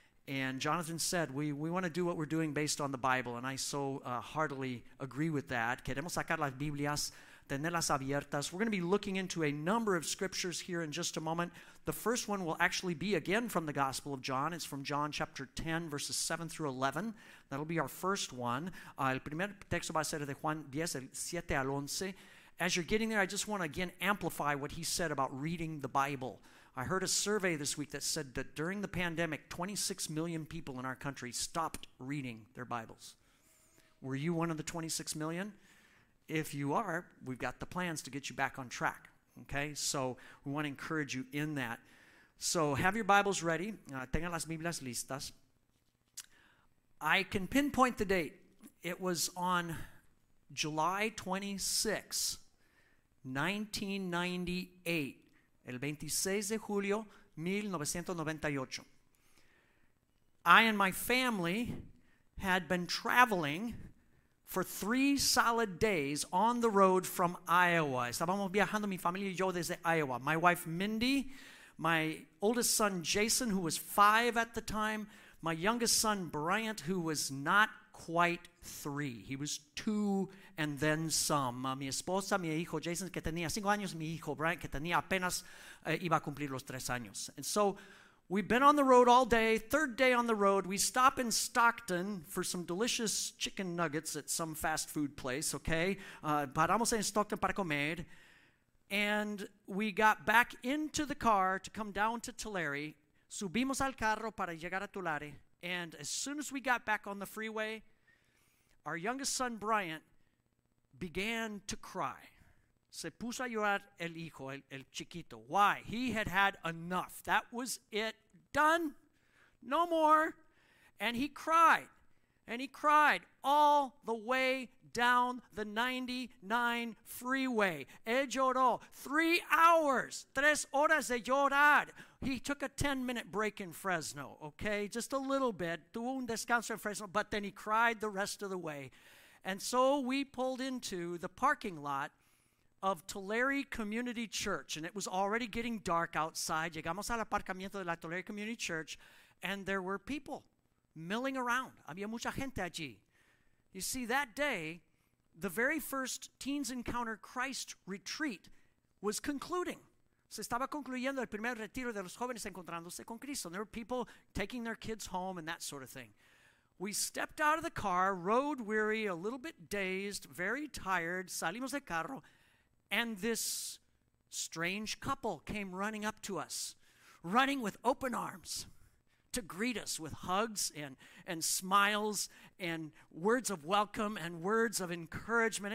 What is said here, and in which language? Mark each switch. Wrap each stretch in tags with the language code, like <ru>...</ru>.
<en>And Jonathan said, we want to do what we're doing based on the Bible, and I so heartily agree with that.</en> <es>Queremos sacar las Biblias, tenerlas abiertas.</es> <en>We're going to be looking into a number of scriptures here in just a moment. The first one will actually be, again, from the Gospel of John. It's from John chapter 10, verses 7 through 11. That'll be our first one.</en> <es>El primer texto va a ser de Juan 10, 7 al 11.</es> <en>As you're getting there, I just want to, again, amplify what he said about reading the Bible. I heard a survey this week that said that during the pandemic, 26 million people in our country stopped reading their Bibles. Were you one of the 26 million? If you are, we've got the plans to get you back on track, okay? So we want to encourage you in that. So have your Bibles ready.</en> <es>Tengan las Biblias listas.</es> <en>I can pinpoint the date. It was on July 26, 1998.</en> <es>El 26 de julio, 1998.</es> <en>I and my family had been traveling for 3 solid days on the road from Iowa.</en> <es>Estábamos viajando mi familia y yo desde Iowa.</es> <en>My wife Mindy, my oldest son Jason, who was 5 at the time, my youngest son Bryant, who was not quite 3. He was 2 and then some.</en> <es>Mi esposa, mi hijo Jason, que tenía 5 años, mi hijo Brian, que tenía apenas iba a cumplir los 3 años.</es> <en>And so we've been on the road all day. Third day on the road, we stop in Stockton for some delicious chicken nuggets at some fast food place, okay?</en> <es>Paramos en Stockton para comer.</es> <en>And we got back into the car to come down to Tulare.</en> <es>Subimos al carro para llegar a Tulare.</es> <en>And as soon as we got back on the freeway, our youngest son, Bryant, began to cry.</en> <es>Se puso a llorar el hijo, el chiquito.</es> <en>Why? He had had enough. That was it. Done. No more. And he cried. And he cried all the way down the 99 freeway.</en> <es>Él lloró.</es> <en>3 hours.</en> <es>3 horas de llorar.</es> <en>He took a 10-minute break in Fresno, okay? Just a little bit.</en> <es>Tuvo un descanso en Fresno,</es> <en>but then he cried the rest of the way. And so we pulled into the parking lot of Tulare Community Church, and it was already getting dark outside.</en> <es>Llegamos al aparcamiento de la Tulare Community Church,</es> <en>and there were people milling around.</en> <es>Había mucha gente allí.</es> <en>You see, that day, the very first Teens Encounter Christ retreat was concluding.</en> <es>Se estaba concluyendo el primer retiro de los jóvenes encontrándose con Cristo.</es> <en>And there were people taking their kids home and that sort of thing. We stepped out of the car, road weary, a little bit dazed, very tired.</en> <es>Salimos del carro.</es> <en>And this strange couple came running up to us, running with open arms to greet us with hugs and smiles and words of welcome and words of encouragement.</en>